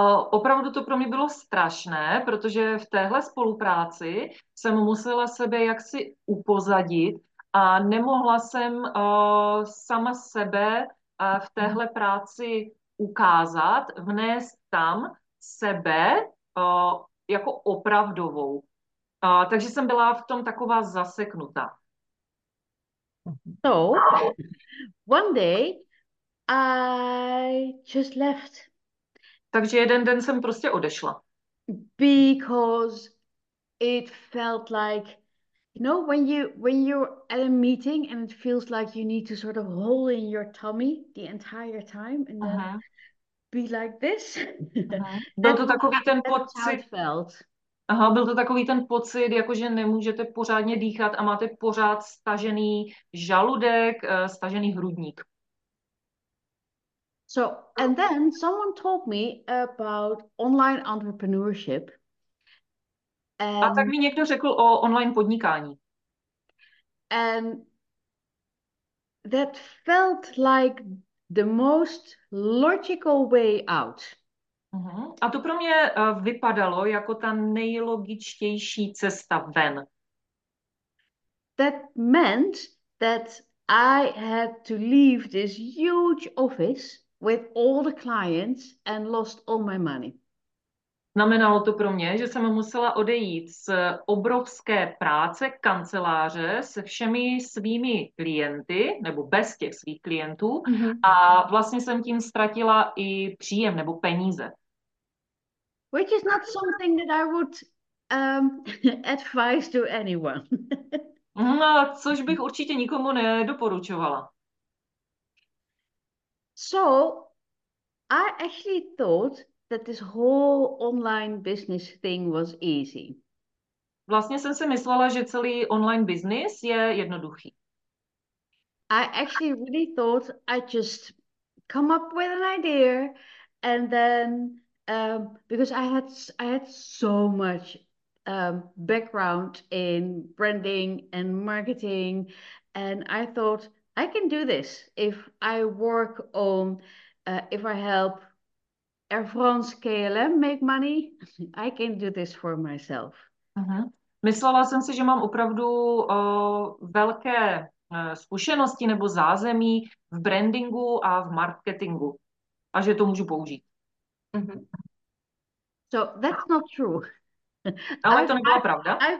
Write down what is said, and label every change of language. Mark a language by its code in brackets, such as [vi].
[cs] Opravdu to pro mě bylo strašné, protože v téhle spolupráci jsem musela sebe jaksi upozadit a nemohla jsem sama sebe v téhle práci ukázat, vnést tam sebe jako opravdovou. Takže jsem byla v tom taková zaseknutá. [en] So, one day I just left. [cs] Takže jeden den jsem prostě odešla. [en] Because it felt like, you know, when you're at a meeting and it feels like you need to sort of hold in your tummy the entire time and then be like this. [cs] Byl to takový ten pocit. [en] Felt. [cs] Aha, byl to takový ten pocit, jakože nemůžete pořádně dýchat a máte pořád stažený žaludek, stažený hrudník. [en] So, and then someone told me about online entrepreneurship. [cs] A tak mi někdo řekl o online podnikání. [en] And that felt like the most logical way out. [cs] A to pro mě vypadalo jako ta nejlogičtější cesta ven. [en] That meant that I had to leave this huge office with all the clients and lost all my money. [cs] Znamenalo to pro mě, že jsem musela odejít z obrovské práce kanceláře se všemi svými klienty nebo bez těch svých klientů a vlastně jsem tím ztratila i příjem nebo peníze. [en] Which is not something that I would advise to anyone. [cs] No, což bych určitě nikomu nedoporučovala. [en] So, I actually thought that this whole online business thing was easy. [cs] Vlastně jsem si myslela, že celý online business je jednoduchý. [en] I actually really thought I just come up with an idea and then because I had so much background in branding and marketing, and I thought I can do this if I work on if I help Air France KLM make money, I can do this for myself. [cs] Myslela jsem si, že mám opravdu velké zkušenosti nebo zázemí v brandingu a v marketingu a že to můžu použít. [en] So that's not true. [cs] Ale to nebyla pravda.